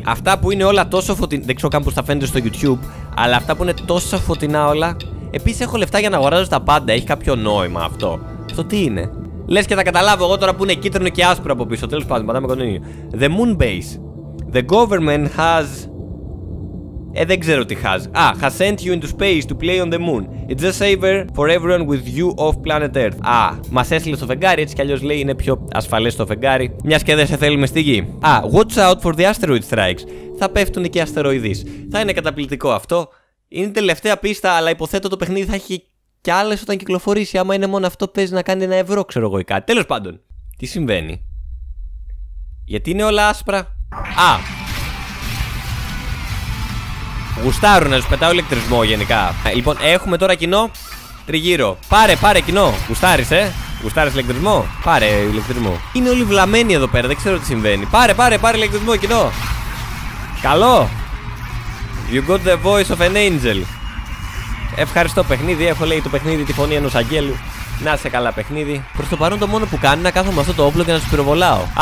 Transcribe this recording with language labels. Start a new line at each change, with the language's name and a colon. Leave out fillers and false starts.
Greek: Αυτά που είναι όλα τόσο φωτεινά. Δεν ξέρω καν πώς θα φαίνεται στο YouTube, αλλά αυτά που είναι τόσο φωτεινά όλα. Επίσης έχω λεφτά για να αγοράζω τα πάντα. Έχει κάποιο νόημα αυτό? Αυτό τι είναι? Λες και θα καταλάβω εγώ τώρα που είναι κίτρινο και άσπρο από πίσω. Τέλος πάντων, πατάμε continue.
English: The moon base. The government has.
Greek: Δεν ξέρω τι has.
English: Has sent you into space to play on the moon. It's a saver for everyone with you off planet Earth.
Greek: Μας έστειλε στο φεγγάρι, έτσι κι αλλιώς λέει είναι πιο ασφαλές στο φεγγάρι, μιας και δεν σε θέλουμε στη γη.
English: Watch out for the asteroid strikes.
Greek: Θα πέφτουν και οι αστεροειδείς. Θα είναι καταπληκτικό αυτό. Είναι η τελευταία πίστα, αλλά υποθέτω το παιχνίδι θα έχει κι άλλες όταν κυκλοφορήσει. Άμα είναι μόνο αυτό, παίζει να κάνει ένα ευρώ, ξέρω εγώ ή κάτι. Τέλος πάντων, τι συμβαίνει? Γιατί είναι όλα άσπρα? Γουστάρουν να τους πετάω ηλεκτρισμό γενικά. Λοιπόν, έχουμε τώρα κοινό τριγύρω. Πάρε κοινό. Γουστάρισε. Γουστάρισε ηλεκτρισμό. Πάρε ηλεκτρισμό. Είναι όλοι βλαμμένοι εδώ πέρα. Δεν ξέρω τι συμβαίνει. Πάρε ηλεκτρισμό κοινό. Καλό.
English: You got the voice of an angel.
Greek: Ευχαριστώ παιχνίδι. Έχω λέει το παιχνίδι τη φωνή ενός αγγέλου. Να σε καλά παιχνίδι. Προς το παρόν το μόνο που κάνω είναι να κάθομαι με αυτό το όπλο και να σου πυροβολάω.